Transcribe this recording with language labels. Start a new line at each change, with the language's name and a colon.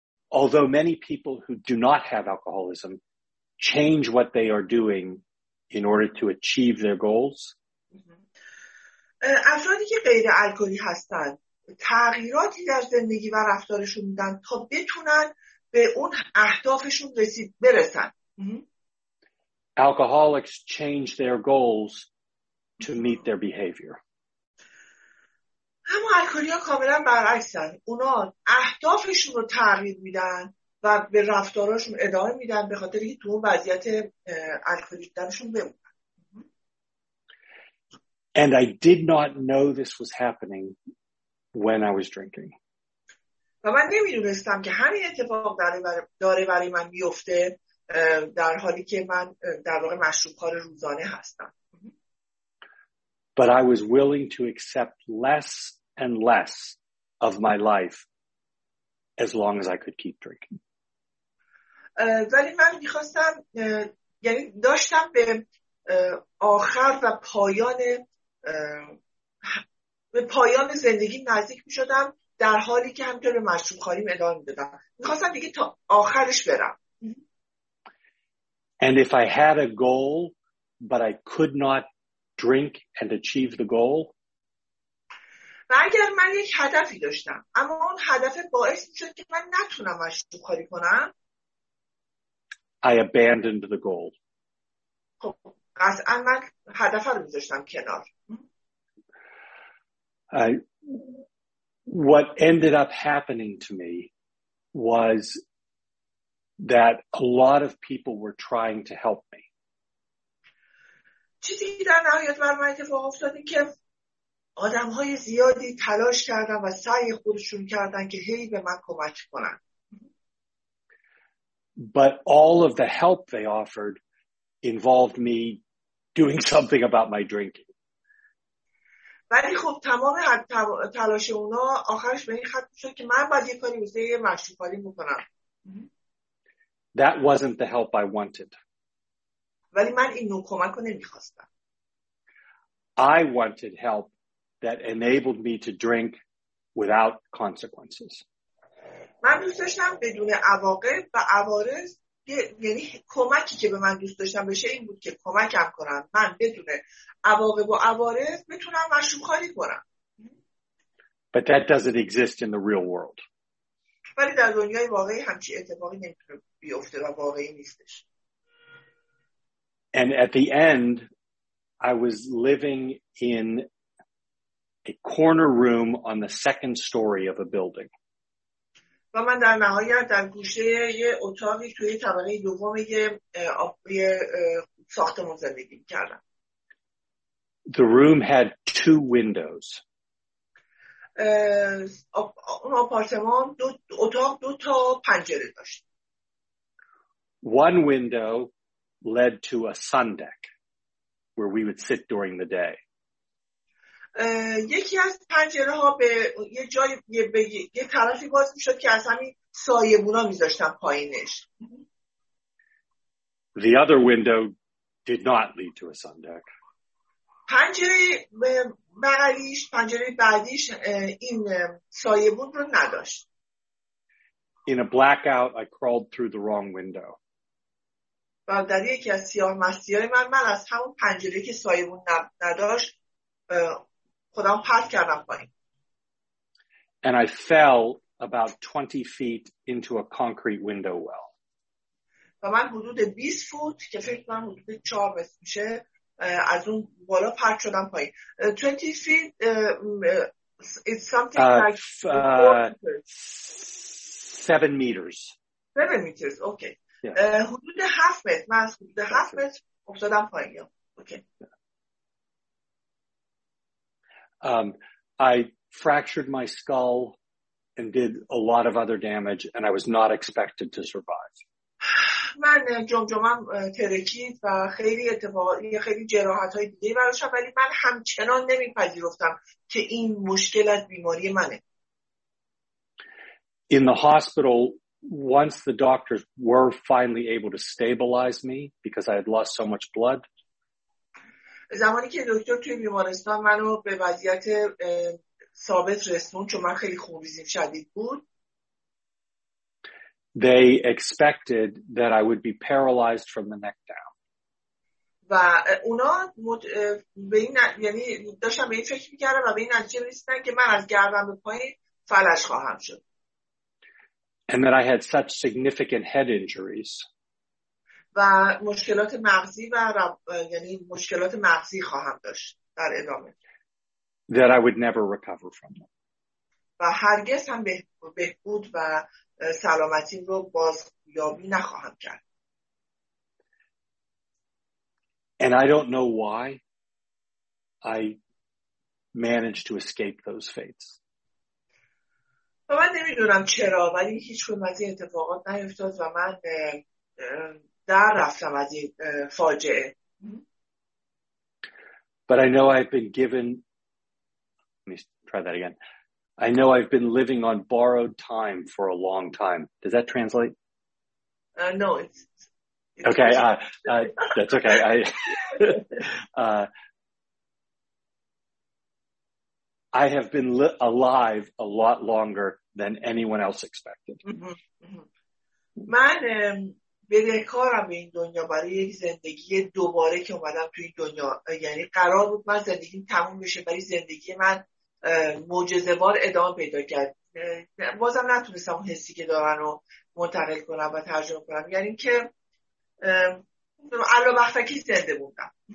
English: Although many people who do not have alcoholism change what they are doing in order to achieve their goals.
Persian: افرادی که غیر الکلی هستند تغییراتی در زندگی و رفتارشون میدن تا بتونن به اون اهدافشون برسن.
English: Alcoholics change their goals to meet their behavior.
Persian: اما الکلی‌ها کاملا برعکسن. اونا اهدافشون رو تغییر میدن و به رفتاراشون ادامه میدن به خاطر اینکه تو وضعیت الکلی بودنشون بمونن.
English: And I did not know this was happening when I was drinking.
Persian: و من نمیدونستم که همین اتفاق داره برای من میفته. در حالی که من در واقع مشروب خور روزانه هستم.
English: But I was willing to accept less and less of my life as long as I could keep drinking.
Persian: ولی من می‌خواستم یعنی داشتم به آخر و پایان به پایان زندگی نزدیک می‌شدم در حالی که همطور مشروب خوری ادامه می‌دادم. می‌خواستم دیگه تا آخرش برم.
English: And if I had a goal, but I could not drink and achieve the goal,
Persian: و اگر من یک هدفی داشتم، اما اون هدف باعث می‌شد که من نتونم مشروب خوری کنم،
English: I abandoned the goal.
Persian: قطعاً من هدف رو می‌ذاشتم کنار.
English: What ended up happening to me was that a lot of people were trying to help me.
Persian: چیزی که در نهایت بر من اتفاق افتاد این که آدم‌های زیادی تلاش کردن و سعی خودشون کردن که هی به من کمک کنن.
English: But all of the help they offered involved me doing something about my drinking.
Persian: ولی خب تمام تلاش اونا آخرش به این ختم شد که من باید یه کاری واسه مشروب‌خوری بکنم.
English: That wasn't the help I wanted.
Persian: ولی من این نوع کمک رو نمیخواستم.
English: I wanted help that enabled me to drink without consequences.
Persian: من دوست داشتم بدون عواقب و عوارض یعنی کمکی که به من دوست داشتم بشه این بود که کمکم کنن من بدون عواقب و عوارض بتونم مشروب خوری کنم.
English: But that doesn't exist in the real world.
Persian: ولی در دنیای واقعی همچی اتفاقی نمیتونه بیفته و واقعی نیستش.
English: And at the end, I was living in a corner room on the second story of a building.
Persian: و من در نهایت در گوشه یه اتاقی توی طبقه دوم یه ساختمون زندگی کردم.
English: The room had two windows.
Persian: اون آپارتمان دو اتاق دو تا پنجره داشت.
English: One window led to a sun deck where we would sit during the day.
Persian: یکی از پنجره ها به یه جای یه طرفی باز می‌شد که از همین سایبونا می‌ذاشتن پایینش.
English: The other window did not lead to a sun deck.
Persian: پنجره بغلیش، پنجره بعدیش این سایبون رو نداشت.
English: In a blackout I crawled through the wrong window.
Persian: و در یکی از سیاه مستیای من از همون پنجره که سایبون نداشت خودم پرت کردم پایین.
English: And I fell about 20 feet into a concrete window well.
Persian: و من حدود 20 فوت که فکر کنم حدود 4 متر میشه از اون بالا پرت شدم پایین.
English: 20 feet is something like 7 meters. 7 meters, okay. Yeah.
Persian: حدود 7 متر من از حدود 7 متر افتادم پایین.
English: Okay. I fractured my skull and did a lot of other damage, and I was not expected to survive.
Persian: من جمجمم ترکید و خیلی جراحات‌های دیگه براشم، ولی من همچنان نمی‌پذیرفتم که این مشکل از بیماری منه.
English: In the hospital, once the doctors were finally able to stabilize me because I had lost so much blood.
Persian: زمانی که دکتر توی بیمارستان منو به وضعیت ثابت رسون چون من خیلی خونریزی شدید بود.
English: They expected that I would be paralyzed from the neck down.
Persian: و اونا یعنی داشتن به این فکر میکردن و به این نتیجه رسیدن که من از گردن به پایین فلج خواهم شد.
English: And that I had such significant head injuries.
Persian: و مشکلات مغزی و یعنی مشکلات مغزی خواهم داشت در ادامه.
English: That I would never recover from them.
Persian: و هرگز هم بهبود و سلامتی رو بازیابی نخواهم کرد.
English: And I don't know why I managed to escape those fates.
Persian: و من نمیدونم چرا، ولی هیچ کدوم از این اتفاقات نیفتاد و من در رفتم از این فاجعه.
English: But I know I've been given. Let me try that again. I know I've been living on borrowed time for a long time. Does that translate? No, it's okay. That's okay. I have been alive a lot longer than anyone else expected.
Persian: من بدهکارم به این دنیا برای یک زندگی دوباره که اومدم توی دنیا، یعنی قرار بود من زندگی تموم بشه ولی زندگی من معجزه‌وار ادامه پیدا کرد. بازم نتونستم اون حسی که دارن رو منتقل کنم و ترجمه کنم، یعنی که علاوه بر اینکه زنده بودم.